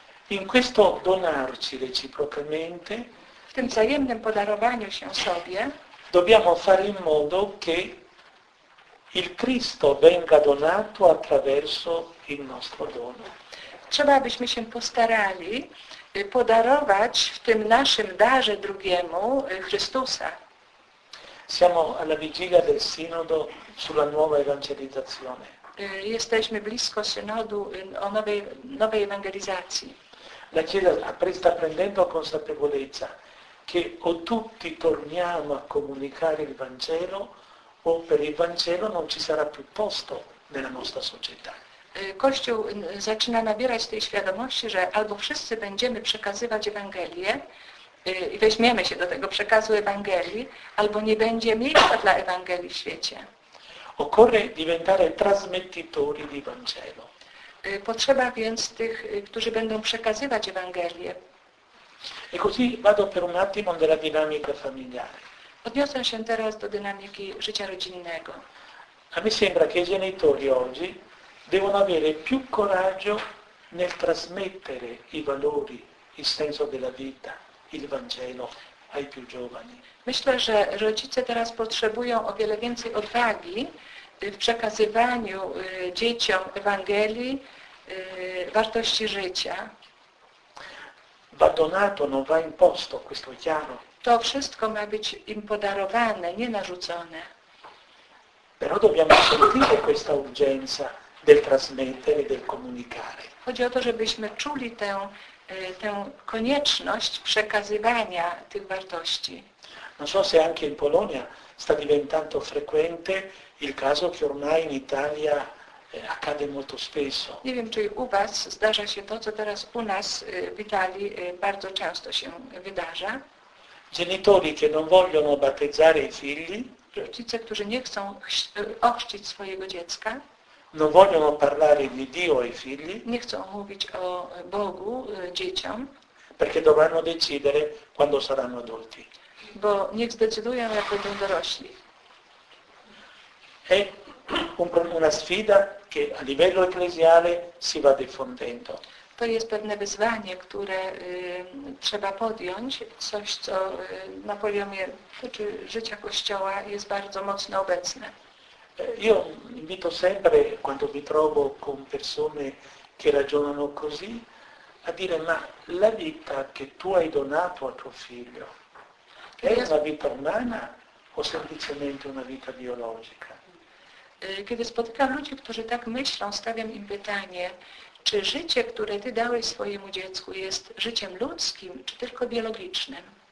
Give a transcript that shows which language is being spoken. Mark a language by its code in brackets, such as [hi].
[it] In questo donarci reciprocamente, [pl] w tym wzajemnym podarowaniu się sobie, [it] dobbiamo fare in modo che il Cristo venga donato attraverso il nostro dono. [pl] Trzeba, abyśmy się postarali podarować w tym naszym darze drugiemu Chrystusa. [it] Siamo alla vigilia del sinodo sulla nuova evangelizzazione. [pl] Jesteśmy blisko synodu o nowej ewangelizacji. [it] La Chiesa sta prendendo consapevolezza che o tutti torniamo a comunicare il Vangelo o per il Vangelo non ci sarà più posto nella nostra società. [pl] Kościół zaczyna nabierać tej świadomości, że albo wszyscy będziemy przekazywać Ewangelię i weźmiemy się do tego przekazu Ewangelii, albo nie będzie miejsca dla Ewangelii w świecie. [it] Occorre diventare trasmettitori di Vangelo. [pl] Potrzeba więc tych, którzy będą przekazywać Ewangelię. [it] E così vado per un attimo della dinamica familiare. [pl] Odniosę się teraz do dynamiki życia rodzinnego. [it] A mi sembra che i genitori oggi devono avere più coraggio nel trasmettere i valori, il senso della vita, il Vangelo ai più giovani. [pl] Myślę, że rodzice teraz potrzebują o wiele więcej odwagi w przekazywaniu dzieciom Ewangelii, wartości życia. [it] Va donato, non va imposto, questo è chiaro. [pl] To wszystko ma być im podarowane, nie narzucone. [it] Però dobbiamo sentire questa urgenza del trasmettere, del comunicare. [pl] Chodzi o to, żebyśmy czuli tę konieczność przekazywania tych wartości. [it] Non so se anche in Polonia sta diventando frequente il caso che ormai in Italia accade molto spesso. [pl] Nie wiem, czy u was zdarza się to, co teraz u nas w Italii bardzo często się wydarza. [it] Genitori che non vogliono battezzare i figli. [pl] Rodzice, którzy nie chcą ochrzcić swojego dziecka. [it] Non vogliono parlare di Dio ai figli. [pl] Nie chcą mówić o Bogu dzieciom. [it] Perché dovranno decidere quando saranno adulti. [pl] Bo niech zdecydują, jak będą dorośli. [it] È una sfida che a livello ecclesiale si va diffondendo. [pl] To jest pewne wyzwanie, które trzeba podjąć, coś, co na poziomie czy życia Kościoła jest bardzo mocno obecne. [it] Io invito sempre, quando mi trovo con persone che ragionano così, a dire, ma la vita che tu hai donato a tuo figlio è una vita umana o semplicemente una vita biologica? [pl] Kiedy spotykam ludzi, którzy tak myślą, stawiam im pytanie, czy życie, które ty dałeś swojemu dziecku, jest życiem ludzkim, czy tylko biologicznym?